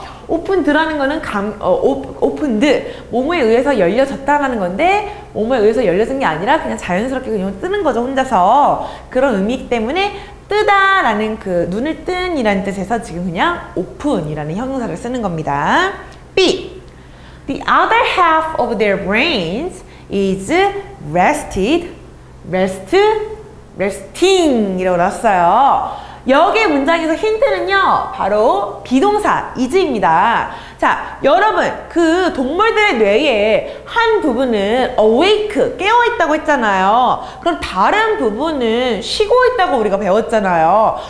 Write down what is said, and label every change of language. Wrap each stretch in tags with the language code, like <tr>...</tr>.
<ko>오픈드라는 거는 오픈드 몸에 의해서 열려졌다라는 건데 몸에 의해서 열려진 게 아니라 그냥 자연스럽게 그냥 뜨는 거죠. 혼자서 그런 의미이기 때문에 뜨다라는 그 눈을 뜬이라는 뜻에서 지금 그냥 open이라는 형용사를 쓰는 겁니다.</ko> <en>B. The other half of their brains is rested, rest, resting</en> <ko>이라고 나왔어요. 여기 문장에서 힌트는요. 바로 비동사 is입니다. 자, 여러분 그 동물들의 뇌의 한 부분은 awake, 깨어있다고 했잖아요. 그럼 다른 부분은 쉬고 있다고 우리가 배웠잖아요.</ko>